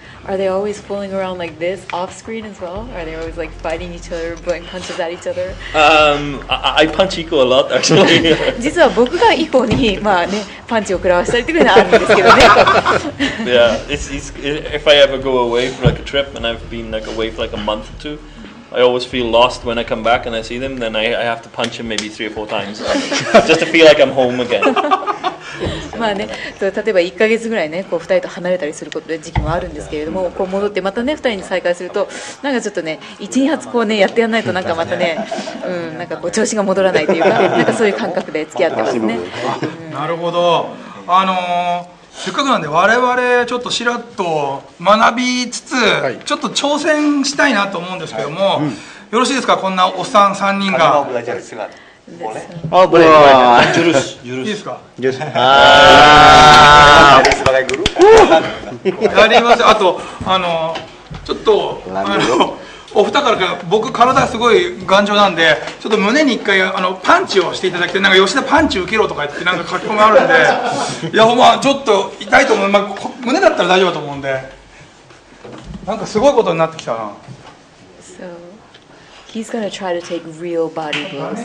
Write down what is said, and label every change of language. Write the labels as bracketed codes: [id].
[en] Are they always fooling around like this off screen as well? Are they always like fighting each other, blowing punches at each other? I punch Iko a lot actually. [ja] 実は僕がイコにまあねパンチを食らわしたりっていうのはあるんですけどね。 [en] Yeah, if I ever go away for like a trip and I've been like away for like a month or two, I always feel lost when I come back and I see them. Then I have to punch him maybe three or four times just to feel like I'm home again. [ja] まあね、例えば1ヶ月ぐらいね、こう2人と離れたりすることで時期もあるんですけれども、こう戻ってまたね、2人に再会すると、なんかちょっとね、1、2発こうね、やってやんないと、なんかまたね、うん、なんかこう、調子が戻らないというか、なんかそういう感覚で付き合ってますね。うん、なるほど。せっかくなんで、我々、ちょっとしらっと学びつつ、ちょっと挑戦したいなと思うんですけども、はいうん、よろしいですか、こんなおっさん3人が。 [ms] Boleh. [en] Oh, boleh. Wow. [ms] Jurus, jurus. Jurus. Jurus. Jadi sebagai guru. Dari mas, atau, [ja] ano, cuto, ano, お二方から僕体すごい頑丈なんでちょっと胸に一回あのパンチをしていただきたい。なんか吉田パンチ受けろとか言ってなんか書き込みあるんで、いやまあちょっと痛いと思う、まあ、胸だったら大丈夫だと思うんで、なんかすごいことになってきたな。 [en] So, he's gonna try to take real body blows.